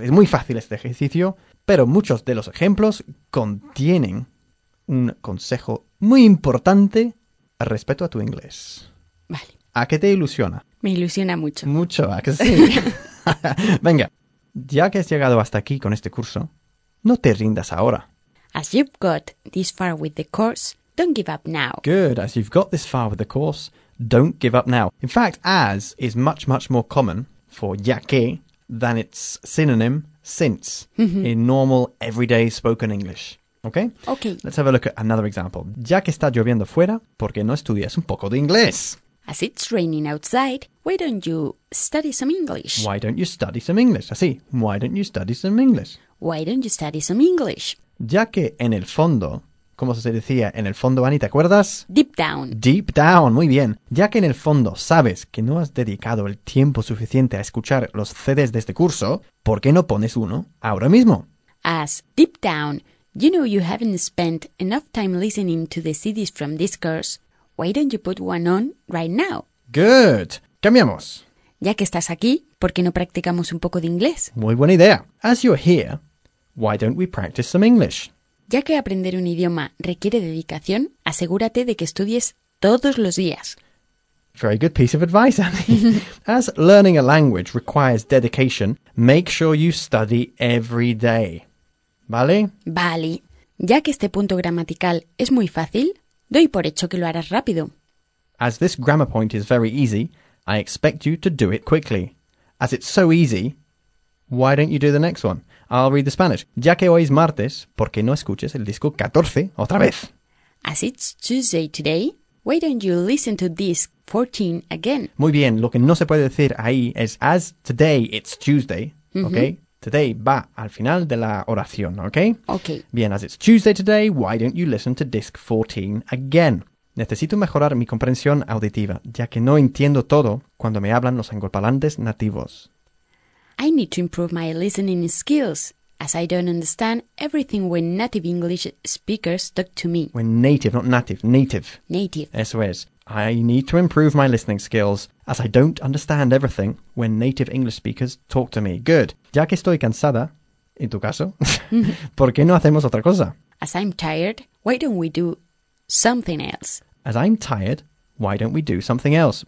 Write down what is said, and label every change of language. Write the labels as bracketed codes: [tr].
[es] Es muy fácil este ejercicio, pero muchos de los ejemplos contienen un consejo muy importante respecto a tu inglés. Vale. ¿A qué te ilusiona? Me ilusiona mucho. Mucho, ¿a que sí? Venga. Ya que has llegado hasta aquí con este curso, no te rindas ahora. [en] As you've got this far with the course, don't give up now. Good. As you've got this far with the course, don't give up now. In fact, as is much, much more common for [es] ya que [en] than its synonym, since, mm-hmm. in normal, everyday spoken English. Okay? Okay. Let's have a look at another example. [es] Ya que está lloviendo fuera, ¿por qué no estudias un poco de inglés? [en] As it's raining outside, why don't you study some English? Why don't you study some English? [es] Así, [en] why don't you study some English? Why don't you study some English? [es] Ya que en el fondo, ¿cómo se decía en el fondo, Annie, te acuerdas? [en] Deep down. Deep down, [es] muy bien. Ya que en el fondo sabes que no has dedicado el tiempo suficiente a escuchar los CDs de este curso, ¿por qué no pones uno ahora mismo? [en] As deep down, you know you haven't spent enough time listening to the CDs from this course, why don't you put one on right now? Good. [es] Cambiamos. Ya que estás aquí, ¿por qué no practicamos un poco de inglés? Muy buena idea. [en] As you're here, why don't we practice some English? [es] Ya que aprender un idioma requiere dedicación, asegúrate de que estudies todos los días. [en] Very good piece of advice, Annie. As learning a language requires dedication, make sure you study every day. [es] ¿Vale? Vale. Ya que este punto gramatical es muy fácil, doy por hecho que lo harás rápido. [en] As this grammar point is very easy, I expect you to do it quickly. As it's so easy, why don't you do the next one? I'll read the Spanish. [es] Ya que hoy es martes, ¿por qué no escuches el disco 14 otra vez? [en] As it's Tuesday today, why don't you listen to disc 14 again? [es] Muy bien, lo que no se puede decir ahí es [en] as today it's Tuesday, [es] mm-hmm. ¿ok? Today va al final de la oración, ¿ok? [en] Ok. [es] Bien, [en] as it's Tuesday today, why don't you listen to disc 14 again? [es] Necesito mejorar mi comprensión auditiva, ya que no entiendo todo cuando me hablan los angloparlantes nativos. [en] I need to improve my listening skills, as I don't understand everything when native English speakers talk to me. When native, not native, native. Native. [es] Eso es. [en] I need to improve my listening skills, as I don't understand everything when native English speakers talk to me. Good. [es] Ya que estoy cansada, en tu caso, ¿por qué no hacemos otra cosa? [en] As I'm tired, why don't we do something else? As I'm tired, why don't we do something else?